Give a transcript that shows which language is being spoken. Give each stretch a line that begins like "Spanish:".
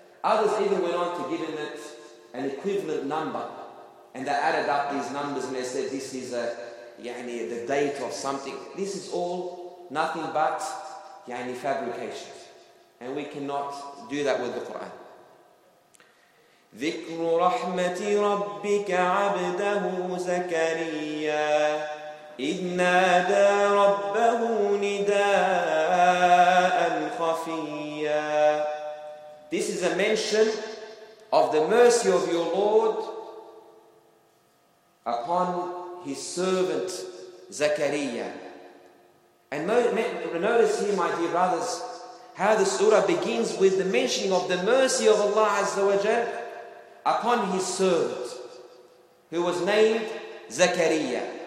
English: Others even went on to give it an equivalent number, and they added up these numbers and they said this is the date of something. This is all nothing but fabrication. And we cannot do that with the Quran.
Arabic: ذكر رحمة ربك عبده زكريا إذ نادى ربه نداء خفيا.
English: This is a mention of the mercy of your Lord upon his servant Zakaria. And notice here, my dear brothers, how the surah begins with the mentioning of the mercy of Allah Azza wa Jal upon his servant, who was named Zakaria.